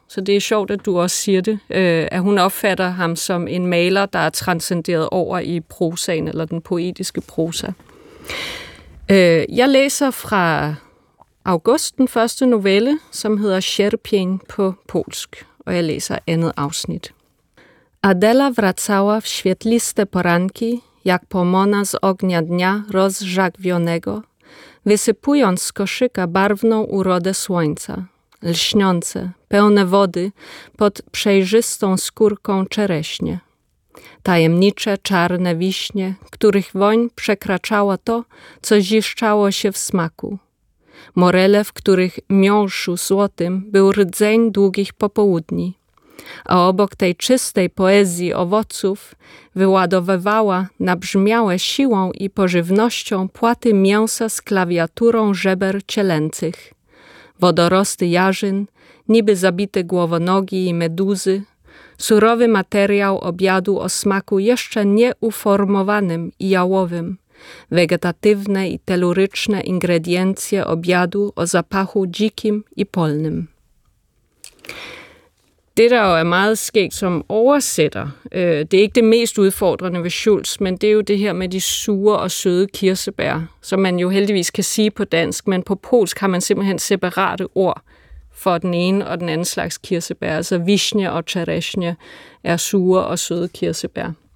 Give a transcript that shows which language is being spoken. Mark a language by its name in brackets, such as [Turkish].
[Danish] Så det er sjovt, at du også siger det, at hun opfatter ham som en maler, der er transcenderet over i prosaen eller den poetiske prosa. Jeg læser fra august den første novelle, som hedder Sierpień på polsk, og jeg læser andet afsnit. [Polish] Adela wracała w świetliste poranki, jak pomona z ognia dnia rozżagwionego, wysypując z koszyka barwną urodę słońca, lśniące, pełne wody, pod przejrzystą skórką czereśnie. Tajemnicze, czarne wiśnie, których woń przekraczała to, co ziszczało się w smaku. Morele, w których miąższu złotym był rdzeń długich popołudni. A obok tej czystej poezji owoców wyładowywała nabrzmiałe siłą i pożywnością płaty mięsa z klawiaturą żeber cielęcych. Wodorosty jarzyn, niby zabite głowonogi i meduzy, surowy materiał obiadu o smaku jeszcze nieuformowanym i jałowym, wegetatywne i teluryczne ingrediencje obiadu o zapachu dzikim i polnym. [Danish] Det, der jo er meget skægt som oversætter, det er ikke det mest udfordrende ved Schulz, men det er jo det her med de sure og søde kirsebær, som man jo heldigvis kan sige på dansk, men på polsk har man simpelthen separate ord for den ene og den anden slags kirsebær, altså wisznia og czereśnia er sure og søde kirsebær.